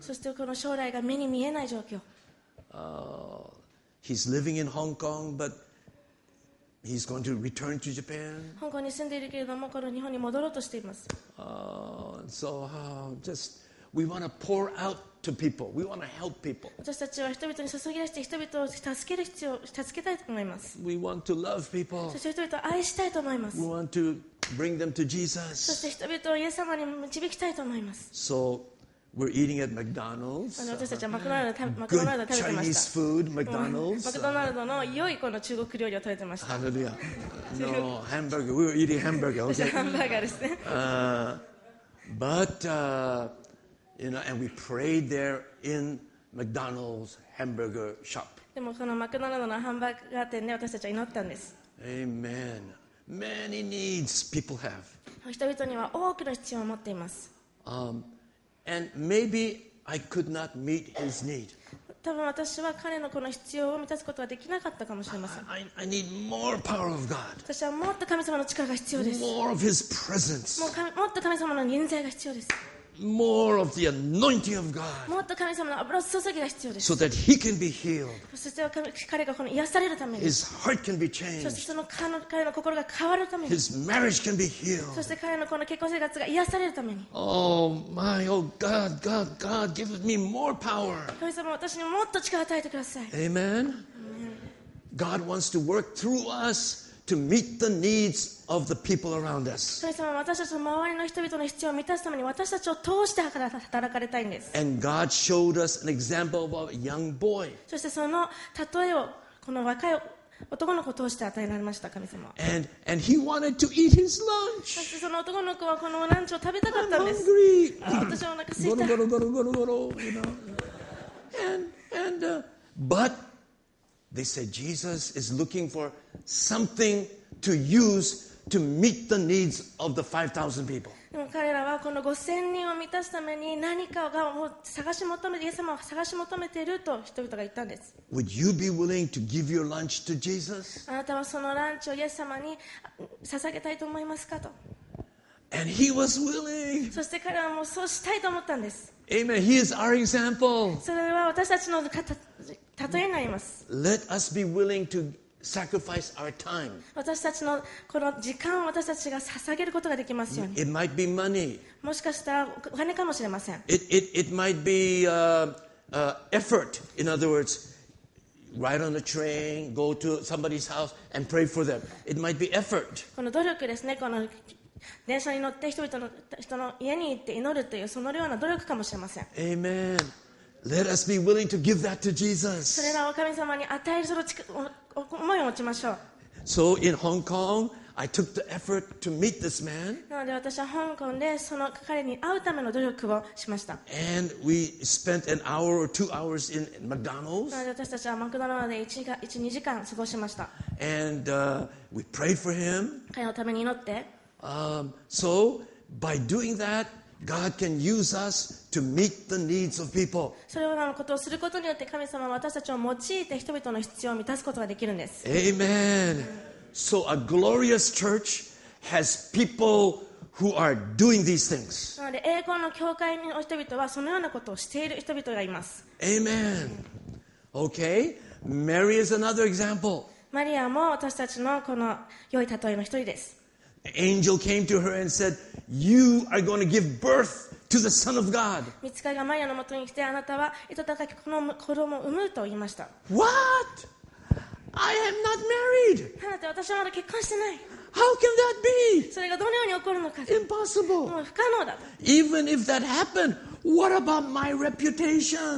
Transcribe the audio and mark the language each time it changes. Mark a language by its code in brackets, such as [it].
[ja] そしてこの将来が目に見えない状況。 [en] He's living in Hong Kong, but he's going to return to Japan. [ja] 香港に住んでいるけれども、この日本に戻ろうとしています。 [en] Just we want to pour out to people. We want to help people. [ja] 私たちは人々に注ぎ出して人々を助ける必要、助けたいと思います。 [en] We want to love people. [ja] そして人々を愛したいと思います。 [en] We want to Bring them to Jesus. [ja] そして人々をイエス様に導きたいと思います。 [en] So we're eating at McDonald's. [ja] 私たちはマクドナルド食べてました。 [en] Good Chinese food, McDonald's. [ja] マクドナルドの良いこの中国料理を食べてました。 [en] Hallelujah. No hamburger. We were eating hamburger. Okay. [ja] ハンバーガーですね。 [en] But you know, and we prayed there in McDonald's hamburger shop. [ja] でもそのマクドナルドのハンバーガー店で私たちは祈ったんです。 [en] Amen. Many needs people have. [ja] 人々には多くの必要を持っています。 [en] And maybe I could not meet his need. [ja] 多分私は彼のこの必要を満たすことはできなかったかもしれません。 [en] I need more power of God. [ja] 私はもっと神様の力が必要です。 [en] More of his presence. [ja] もっと神様の臨在が必要です。 [en] More of the anointing of God. [ja] もっと神様の油を注ぎが必要です。 [en] So that he can be healed. [ja] そして彼がこの癒されるために。 [en] His heart can be changed. [ja] そしてその彼の心が変わるために。 [en] His marriage can be healed. [ja] そして彼のこの結婚生活が癒されるために。 [en] Oh my, oh God, God, God, give me more power. [ja] 神様、私にもっと力を与えてください。 [en] Amen. Amen. God wants to work through us. To meet the needs of the people around us. [ja] 神様は私たちの周りの人々の必要を満たすために私たちを通して働かれたいんです。 [en] And God showed us an example of a young boy. [ja] そしてその例えをこの若い男の子を通して与えられました、神様。 [en] And he wanted to eat his lunch. [ja] そしてその男の子はこのランチを食べたかったんです。 [en] I'm hungry. [ja] 私はお腹空いた。ゴロゴロゴロゴロゴロ、 [en] you know. But they said Jesus is looking for. Something to use to meet the needs of the 5,000 people. [ja] でも彼らはこの5000人を満たすために何かを探し求めて、イエス様を探し求めていると人々が言ったんです。 [en] Would you be willing to give your lunch to Jesus? [ja] あなたはそのランチをイエス様に捧げたいと思いますかと。 [en] And he was willing. [ja] そして彼はもうそうしたいと思ったんです。 [en] Amen. He is our example. [ja] それは私たちの例えになります。 [en] Let us be willing to. Sacrifice our time. [ja] 私たちのこの時間を私たちが捧げることができますように。 [en] It might be money. [ja] もしかしたらお金かもしれません。 [en] It might be effort. In other words, ride on a train, go to somebody's house and pray for them. It might be effort. [ja] この努力ですね。この電車に乗って人の家に行って祈るというそのような努力かもしれません。 [en] Amen. Let us be willing to give that to Jesus. [ja] それらを神様に与えるその思いを持ちましょう。 [en] So in Hong Kong, I took the effort to meet this man. [ja] なので私は香港でその彼に会うための努力をしました。 [en] And we spent an hour or two hours in McDonald's. [ja] なので私たちはマクドナルドで1、2時間過ごしました。 [en] And we prayed for him. [ja] 彼のために祈って。 [en] So by doing that. God can use us to meet the needs of people. [ja] そのようなことをすることによって神様は私たちを用いて人々の必要を満たすことができるんです。 [en] Amen. So a glorious church has people who are doing these things. [ja] なので栄光の教会の人々はそのようなことをしている人々がいます。 [en] Amen. Okay. Mary is another example. [ja] マリアも私たちのこの良い例えの一人です。 [en] The angel came to her and said,You are going to give birth to the Son of God. [ja] 御使いがマリアの元に来て、あなたは糸高きこの子供を産むと言いました。 [en] What? I am not married. [ja] あなた、私はまだ結婚してない。 [en] How can that be? [ja] それがどのように起こるのか。 [en] Impossible. [ja] もう不可能だ。 [en] Even if that happened, what about my reputation?